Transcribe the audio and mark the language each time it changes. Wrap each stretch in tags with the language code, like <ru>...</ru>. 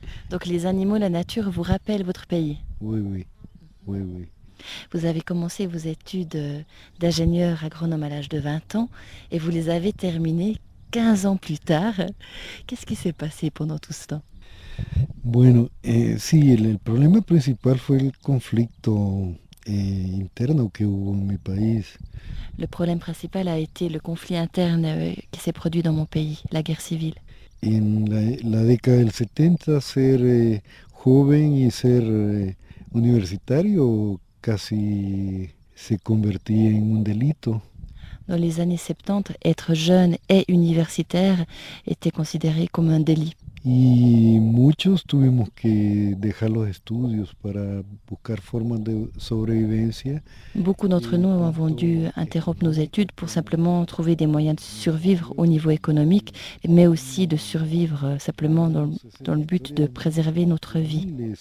<fr>Donc les animaux, la nature vous rappellent votre pays? Oui. Vous avez commencé vos études d'ingénieur agronome à l'âge de 20 ans et vous les avez terminées 15 ans plus tard. Qu'est-ce qui s'est passé pendant tout ce temps?</fr> <es>Bueno, sí, el problema principal fue el conflicto interno que hubo en mi país.</es> <fr>Le problème principal a été le conflit interne qui s'est produit dans mon pays, la guerre civile.</fr> <es>En la década del 70, ser joven y ser universitario casi se convertía en un delito.</es> <fr>Dans les années 70, être jeune et universitaire était considéré comme un délit.</fr> <es>Y muchos tuvimos que dejar los estudios para buscar formas de sobrevivencia.</es> <fr>Beaucoup d'entre nous avons dû interrompre nos études pour simplement trouver des moyens de survivre au niveau économique, mais aussi de survivre simplement dans le but de préserver notre vie.</fr>